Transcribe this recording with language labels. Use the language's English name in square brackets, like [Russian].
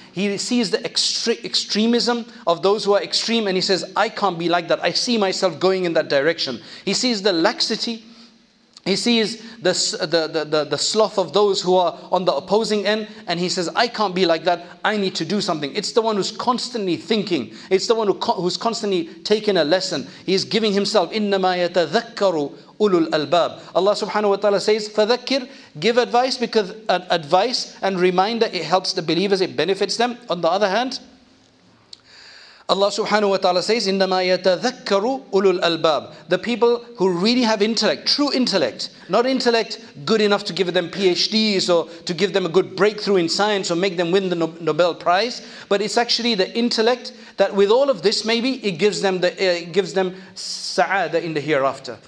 [English] He sees the extremism of those who are extreme and he says, "I can't be like that. I see myself going in that direction." He sees the laxity. He sees the sloth of those who are on the opposing end and he says, "I can't be like that, I need to do something." It's the one who's constantly thinking. It's the one who's constantly taking a lesson. He's giving himself, [Arabic] إِنَّمَا يَتَذَكَّرُ أُولُو الْأَلْبَابِ. [English] Allah subhanahu wa ta'ala says, "Fadhakir," give advice, because advice and reminder, it helps the believers, it benefits them. On the other hand, Allah subhanahu wa ta'ala says, [Arabic] "Innama yatadhakkaru ulul albab." [English] The people who really have intellect, true intellect, not intellect good enough to give them PhDs or to give them a good breakthrough in science or make them win the Nobel Prize, but it's actually the intellect that, with all of this, maybe it gives them the sa'ada in the hereafter.